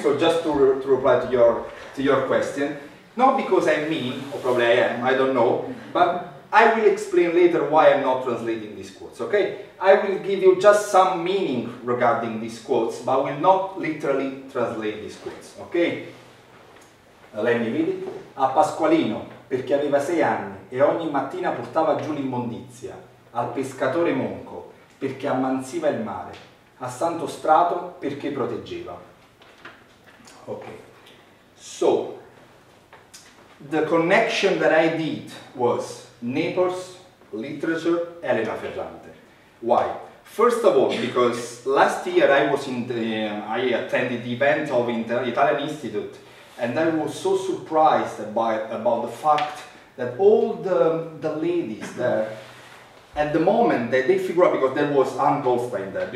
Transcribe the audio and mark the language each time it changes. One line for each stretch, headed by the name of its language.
English: So just to reply to your question, not because I'm mean, or probably I am, I don't know, but I will explain later why I'm not translating these quotes, okay? I will give you just some meaning regarding these quotes, but I will not literally translate these quotes, okay? Let me read it.
Italian: A Pasqualino, perché aveva 6 anni e ogni mattina portava giù l'immondizia, al pescatore monco, perché ammansiva il mare, a Santo Strato, perché proteggeva.
English: Okay. So, the connection that I did was Naples, literature, Elena Ferrante. Why? First of all, because last year I attended the event of the Italian Institute, and I was so surprised about the fact that all the ladies there, at the moment that they figure out, because there was Anne Goldstein there.